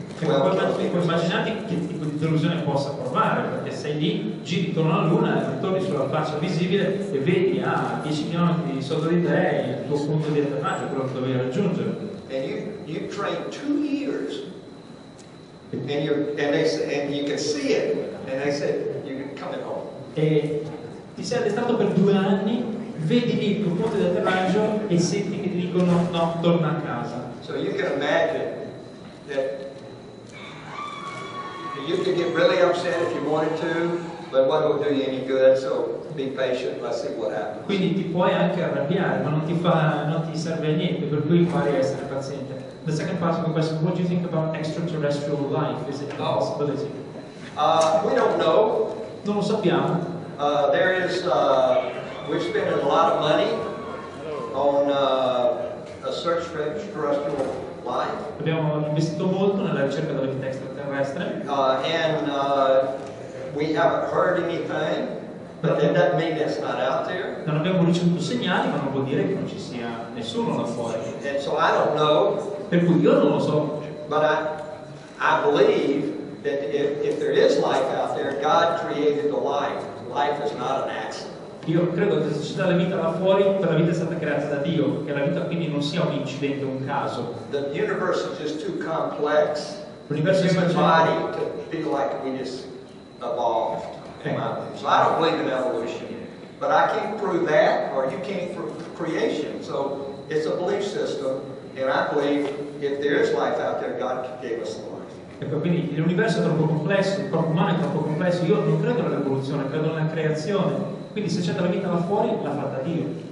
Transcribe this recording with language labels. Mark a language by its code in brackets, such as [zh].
[it] Ecco, immaginate che tipo di delusione possa provare, perché sei lì, giri intorno alla Luna, torni sulla faccia visibile e vedi a 10 km sotto di te il tuo punto di atterraggio, quello che dovevi raggiungere. [en] And you've trained 2 years, and you can see it, and they said you're coming home. [it] E ti sei addestrato per 2 anni, vedi lì il tuo punto di atterraggio e senti che ti dicono no, torna a casa. [en] So you can imagine that you could get really upset if you wanted to, but what will do you any good? So be patient. Let's see what happens. [it] Quindi ti puoi anche arrabbiare, ma non ti serve a niente. Per cui fare essere paziente. [en] The second part of the question: what do you think about extraterrestrial life? Is it a possibility? We don't know. [it] Non lo sappiamo. [en] There is. We're spending a lot of money on. A search for extraterrestrial life. [it] Abbiamo investito molto nella ricerca della vita extraterrestre. [en] And We haven't heard anything, but did that mean it's not out there? [it] Non abbiamo ricevuto segnali, ma non vuol dire che non ci sia nessuno là fuori. [en] And so I don't know. [it] Per cui io non lo so. [en] But I believe that if there is life out there, God created the life. Life is not an accident. [it] Io credo che se ci dà la vita là fuori, la vita è stata creata da Dio, che la vita quindi non sia un incidente, un caso. [en] The universe is just too complex. [it] L'universo è troppo complesso per [en] like we just evolved. Okay. So I don't believe in evolution, but I can't prove that, or you can't prove creation. So it's a belief system, and I believe if there is life out there, God gave us life. [it] Ecco, quindi l'universo è troppo complesso, il corpo umano è troppo complesso. Io non credo nell'evoluzione, credo nella creazione. Quindi se c'è della vita là fuori, l'ha fatta Dio.